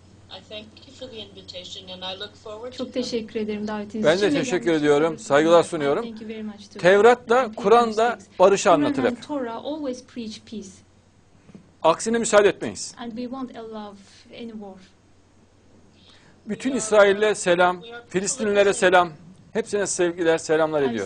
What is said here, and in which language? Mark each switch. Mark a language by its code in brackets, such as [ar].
[en] I thank you for the invitation and I look forward to [tr] Çok teşekkür ederim davetiniz için. Ben de teşekkür ediyorum. Saygılar sunuyorum. Tevrat da Kur'an da barışı anlatır hep. [en] Torah always preach peace. [tr] Aksine müsaade etmeyiz. [en] And we won't allow any war. [tr] Bütün İsrail'e selam, Filistinlilere selam. Hepsine sevgiler, selamlar ediyorum.